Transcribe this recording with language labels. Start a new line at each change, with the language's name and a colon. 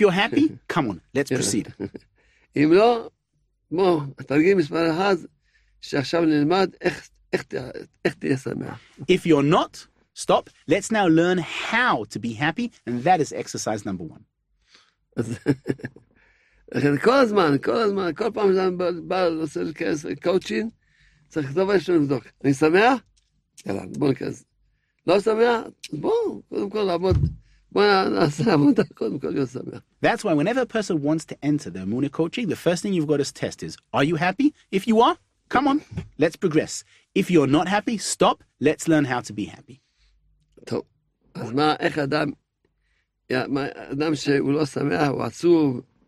English: you're happy, come on, let's proceed. If you're not, stop. Let's now learn how to be happy, and that is exercise number one.
Hebrew: לכן כל הזמן, כל הזמן, כל פעם שאני בא לעושה להיכנס לקואוצ'ינג, צריך לדבר שם לבדוק. אני שמח? יאללה, בוא נכנס. לא שמח? בוא, קודם כל לעבוד. בוא נעשה עבודה, קודם כל להיות שמח.
English: That's why whenever a person wants to enter the Amuna coaching, the first thing you've got to test is, are you happy? If you are, come on, let's progress. If you're not happy, stop, let's learn how to be happy.
Hebrew: טוב, אז מה, איך אדם, אדם שהוא לא שמח, הוא עצוב,